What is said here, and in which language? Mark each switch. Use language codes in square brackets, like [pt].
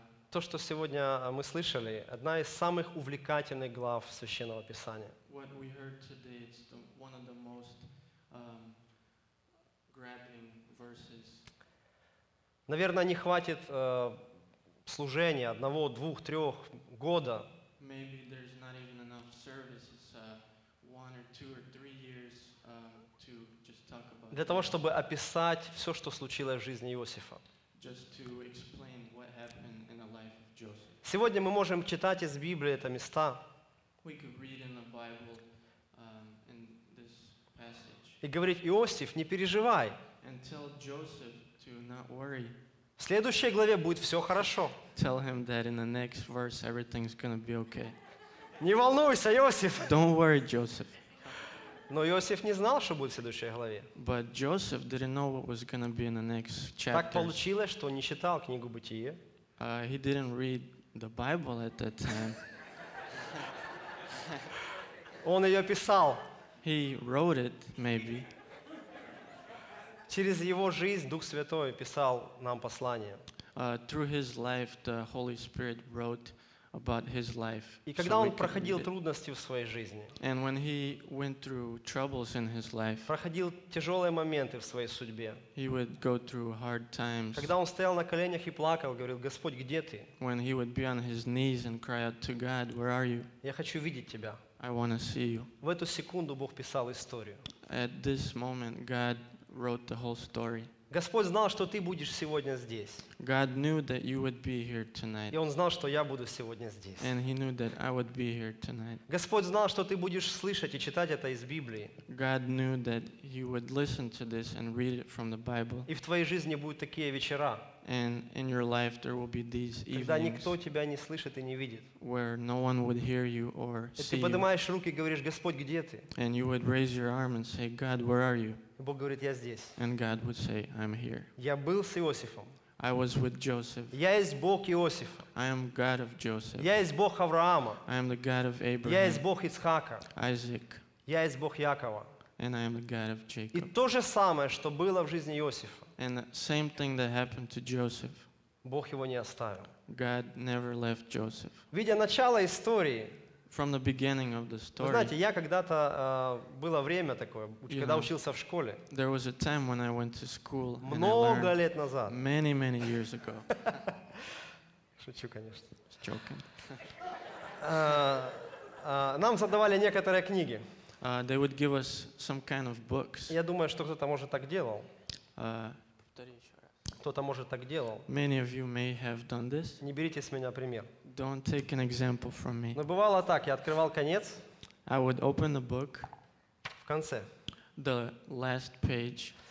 [ru] То, что сегодня мы слышали, одна из самых увлекательных глав Священного Писания. [en] What we heard today is one of the most grabbing verses. [ru] Наверное, не хватит служения одного, двух, трех года. [en] Maybe there's not even enough services, one or two or three years to just talk about. [ru] Для того, чтобы описать все, что случилось в жизни Иосифа. [en] Just to explain what happened in the life of Joseph. [ru] Сегодня мы можем читать из Библии это места. [en] We could read in the Bible in this passage. [ru] И говорить: Иосиф, не переживай. [en] And tell Joseph to not worry. [ru] В следующей главе будет все хорошо. [en] Tell him that in the next verse everything's gonna be okay. [ru] Не волнуйся, Иосиф. [en] Don't worry, Joseph. [ru] Но Иосиф не знал, что будет в следующей главе. [en] But Joseph didn't know what was gonna be in the next chapter. [ru] Так получилось, что он не читал книгу Бытие. [en] He didn't read the Bible at that time. [ru] Он ее писал. [en] He wrote it, maybe. [ru] Через его жизнь Дух Святой писал нам послание. [en] Through his life, the Holy Spirit wrote about his life. [ru] И когда он проходил трудности в своей жизни, [en] and when he went through troubles in his life, [ru] проходил тяжелые моменты в своей судьбе, [en] he would go through hard times. [ru] Когда он стоял на коленях и плакал, говорил: «Господь, где ты?» [en] When he would be on his knees and cry out to God, «Where are you?» [ru] Я хочу видеть тебя. [en] I want to see you. [ru] В эту секунду Бог писал историю. [en] At this moment, God wrote the whole story. [ru] Господь знал, что ты будешь сегодня здесь. [en] God knew that you would be here tonight. [ru] И он знал, что я буду сегодня здесь. [en] And he knew that I would be here tonight. [ru] Господь знал, что ты будешь слышать и читать это из Библии. [en] God knew that you would listen to this and read it from the Bible. [ru] И в твоей жизни будут такие вечера. [en] And in your life there will be these evenings. [ru] Когда никто тебя не слышит и не видит. [en] Where no one would hear you or see. [ru] И ты поднимаешь руки и говоришь: Господь, где ты? [en] And you would raise your arm and say, God, where are you? [ru] Бог говорит: я здесь. [en] And God would say, I'm here. [ru] Я был с Иосифом. [en] I was with Joseph. [ru] Я есть Бог Иосифа. [en] I am God of Joseph. [ru] Я есть Бог Авраама. [en] I am the God of Abraham. [ru] Я есть Бог Ицхака. [en] Isaac. [ru] Я есть Бог Якова. [en] And I am the God of Jacob. [ru] И то же самое, что было в жизни Иосифа. [en] And the same thing that happened to Joseph. [ru] Бог его не оставил. [en] God never left Joseph. [ru] Видя начало истории. [en] From the beginning of the story. [ru] Вы знаете, я когда-то было время такое, когда учился в школе. [en] There was a time when I went to school. [ru] Много лет назад. [en] Many years ago. [ru] Шучу, конечно. [en] Joking. [ru] Нам задавали некоторые книги. [en] They would give us some kind of books. [ru] Я думаю, что кто-то может так делал. Повтори еще раз. Кто-то может так делал. [en] Many of you may have done this. [ru] Не берите с меня пример. [en] Don't take an example from me. [ru] Но бывало так, я открывал конец. [en] I would open the book. [ru] В конце. [en] The last page.